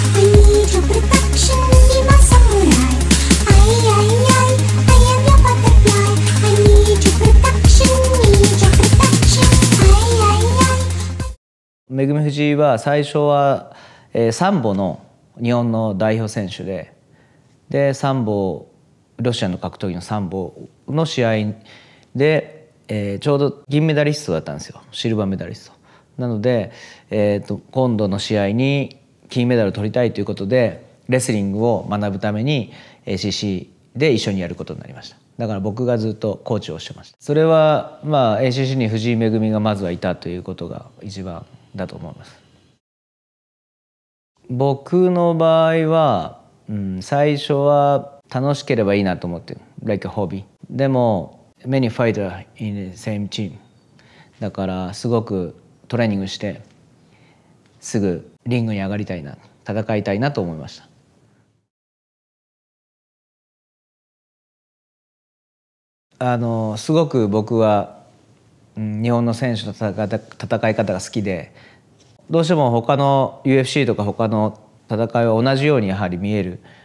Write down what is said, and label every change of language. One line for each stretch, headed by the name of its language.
English: I need your protection, be my samurai. I am your butterfly. I need your protection, need your protection.
Japanese: Megumi Fuji は最初はサンボの日本の代表選手で、でサンボ、ロシアの格闘技のサンボの試合で、ちょうど銀メダリストだったんですよ、シルバーメダリスト。なので、今度の試合に金メダルを取りたいということでレスリングを学ぶために ACC で一緒にやることになりました。だから僕がずっとコーチをしてました。それは、まあ、ACC に藤井恵がまずはいたということが一番だと思います。僕の場合は、最初は楽しければいいなと思って、
English: like a hobby。でもMany fighters in the same team.
Japanese: だからすごくトレーニングしてすぐリングに上がりたいな、戦いたいなと思いました。すごく僕は日本の選手の戦い方が好きで、どうしても他の UFC とか他の戦いは同じようにやはり見える。